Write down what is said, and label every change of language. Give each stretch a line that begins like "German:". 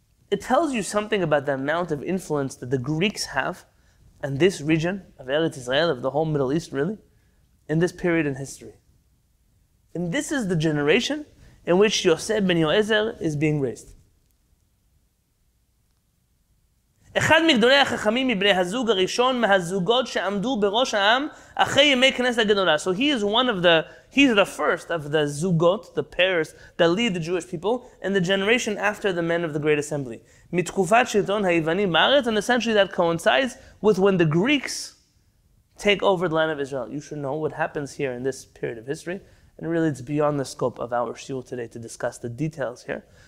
English: It tells you something about the amount of influence that the Greeks have in this region of Eretz Israel, of the whole Middle East, really, in this period in history. And this is the generation in which Yosef ben Yoezer is being raised.
Hebrew: אחד מגדולי החכמים מבני הזוג הראשון מהזוגות שעמדו בראש העם אחרי ימי כנסת הגדולה.
English: So he is one of the, he's the first of the zugot, the pairs that lead the Jewish people and the generation after the men of the Great Assembly.
Hebrew: מתקופת שלטון היוונים בארץ,
English: and essentially that coincides with when the Greeks take over the land of Israel. You should know what happens here in this period of history. And really it's beyond the scope of our shiur today to discuss the details here.